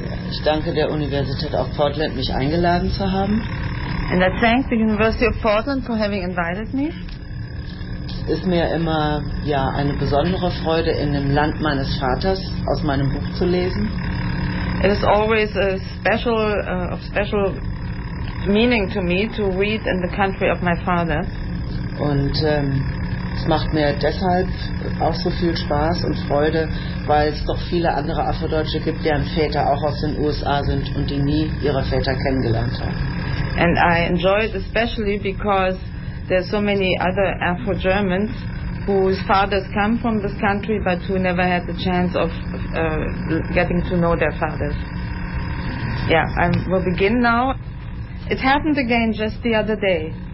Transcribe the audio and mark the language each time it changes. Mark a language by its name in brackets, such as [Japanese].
[German] Ich danke der Universität auf Portland, mich eingeladen zu haben. [English] And I thank the University of Portland for having invited me. [German] Es ist mir immer eine besondere Freude, in dem Land meines Vaters aus meinem Buch zu lesen. [English] It is always a special of special meaning to me to read in the country of my father. [German] Und es macht mir deshalb auch so viel Spaß und Freude, weil es doch viele andere Afrodeutsche gibt, deren Väter auch aus den USA sind und die nie ihre Väter kennengelernt haben. [English] And I enjoy it especially because there are so many other Afro-Germans whose fathers come from this country but who never had the chance of getting to know their fathers. Yeah, I will begin now. It happened again just the other day.